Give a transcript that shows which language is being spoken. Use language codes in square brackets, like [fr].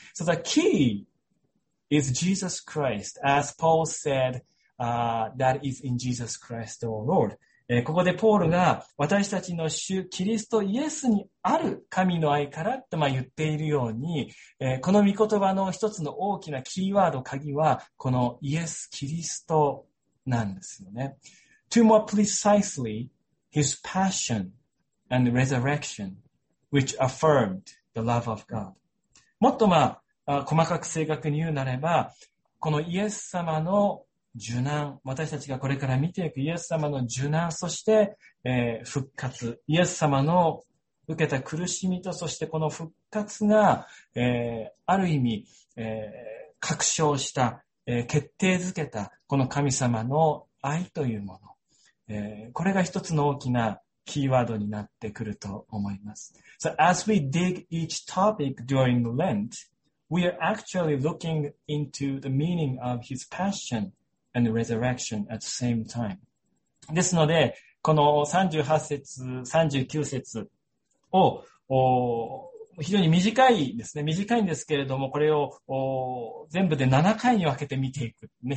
[en] So the key is Jesus Christ, as Paul said, that is in Jesus Christ our Lord. [ja] ここでポールが私たちの主キリストイエスにある神の愛からと言っているように、この御言葉の一つの大きなキーワード、鍵はこのイエス・キリストなんですよね。 [en] To more precisely, his passion and resurrection, which affirmed the love of God. [ja] もっとまあ、細かく正確に言うなれば、このイエス様の受難、私たちがこれから見ていくイエス様の受難、そして、復活、イエス様の受けた苦しみと、そしてこの復活が、ある意味、確証した、決定づけたこの神様の愛というもの、これが一つの大きなキーワードになってくると思います。 [en] So as we dig each topic during Lent, we are actually looking into the meaning of his passion and resurrection at the same time. [ja] ですので、この38節、39節を、非常に短いですね。短いんですけれども、これを全部で7回に分けて見ていく、ね。